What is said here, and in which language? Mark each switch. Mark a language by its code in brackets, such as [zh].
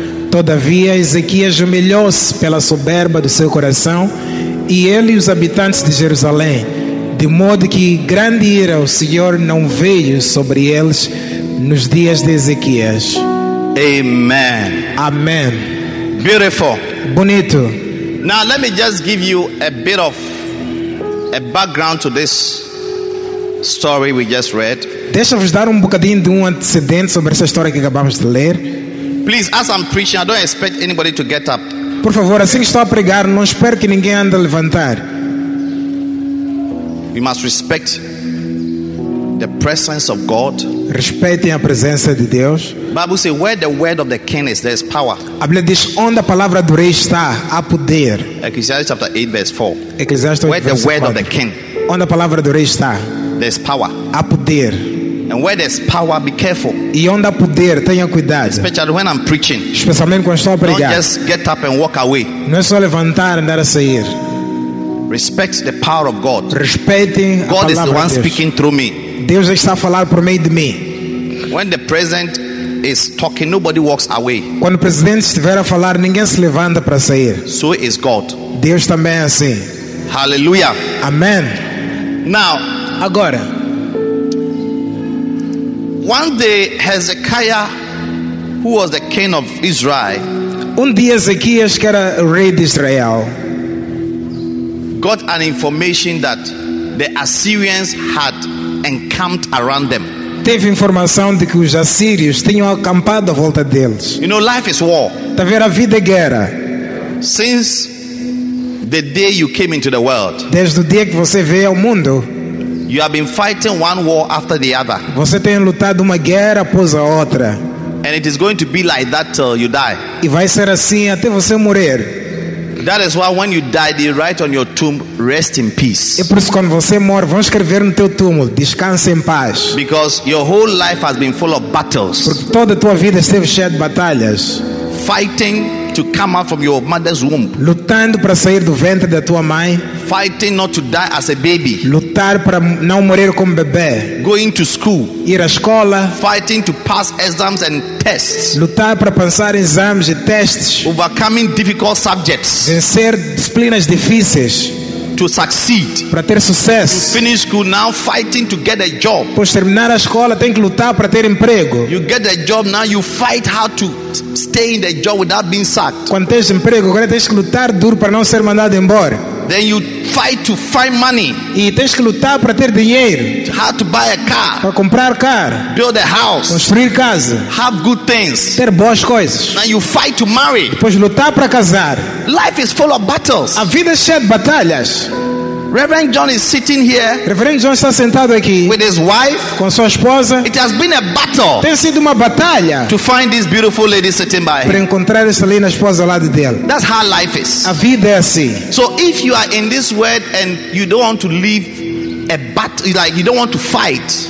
[pt] Todavia Ezequias humilhou-se pela soberba do seu coração, e ele e os habitantes de Jerusalém, de modo que grande ira o Senhor não veio sobre eles nos dias de Ezequias. [en] Amen. Amen. Beautiful. [pt] Bonito. [en] Now let me just give you a bit of a background to this story we just read. [pt] Deixa-vos dar um bocadinho de um antecedente sobre essa história que acabamos de ler. [en] Please, as I'm preaching, I don't expect anybody to get up. [pt] Por favor, assim que estou a pregar, não espero que ninguém ande a levantar. [en] You must respect the presence of God. [pt] Respeitem a presença de Deus. [en] Bible says, where the word of the king is, there is power. [pt] A Bíblia diz, onde a palavra do rei está, há poder. [en] Ecclesiastes chapter 8 verse 4. Ecclesiastes 8, where the verse word 4. Of the king. [pt] Onde a palavra do rei está, [en] there is power. [pt] Há poder. [en] And where there's power, be careful. [pt] E onde há poder, tenha cuidado. [en] Especially when I'm preaching. [pt] Especialmente quando estou a pregar. [en] Don't just get up and walk away. [pt] Não é só levantar e andar a sair. [en] Respect the power of God. [pt] Respeitem [en] God [pt] a palavra [en] is the one speaking through me. [pt] Deus está a falar por meio de mim. [en] When the president is talking, nobody walks away. [pt] Quando o presidente estiver a falar, ninguém se levanta para sair. [en] So is God. [pt] Deus também é assim. [en] Hallelujah. Amen. Now, [pt] agora. [en] One day Hezekiah, who was the king of Israel, [pt] dia Ezequias, que era o rei de Israel, [en] got an information that the Assyrians had encamped around them. [pt] Teve informação de que os assírios tinham acampado à volta deles. [en] You know, life is war. [pt] Tá vendo, a vida é guerra. [en] Since the day you came into the world. [pt] Desde o dia que você veio ao mundo. [en] You have been fighting one war after the other. [pt] Você tem lutado uma guerra após a outra. [en] And it is going to be like that till you die. [pt] E vai ser assim até você morrer. [en] That is why when you die, they write on your tomb, "Rest in peace." [pt] É por isso quando você morre, vão escrever no teu túmulo, "Descanse em paz." [en] Because your whole life has been full of battles. [pt] Porque toda a tua vida esteve cheia de batalhas. [en] Fighting to come out from your mother's womb. [pt] Lutando para sair do ventre da tua mãe. [en] Fighting not to die as a baby. [pt] Lutar para não morrer como bebê. [en] Going to school. [pt] Ir à escola. [en] Fighting to pass exams and tests. [pt] Lutar para passar exames e testes. [en] Overcoming difficult subjects. [pt] Vencer disciplinas difíceis. [en] To succeed. [pt] Para ter sucesso. [en] To finish school now, fighting to get a job. [pt] Depois de terminar a escola, tem que lutar para ter emprego. [en] You get a job now, you fight how to stay in the job without being sacked. [pt] Quando tens emprego, agora tens que lutar duro para não ser mandado embora. [en] Then you fight to find money. [pt] E tens que lutar para ter dinheiro. [en] How to buy a car. [pt] Para comprar carro. [en] Build a house. [pt] Construir casa. [en] Have good things. [pt] Ter boas coisas. [en] Now you fight to marry. [pt] Depois lutar para casar. [en] Life is full of battles. [pt] A vida é cheia de batalhas. [en] Reverend John is sitting here. [pt] Reverend John está sentado aqui. [en] With his wife. [pt] Com sua esposa. [en] It has been a battle. [pt] Tem sido uma batalha. [en] To find this beautiful lady sitting by. [pt] Para encontrar essa linda esposa ao lado dele. [en] That's how life is. [pt] A vida é assim. [en] So if you are in this world and you don't want to live a battle, like you don't want to fight.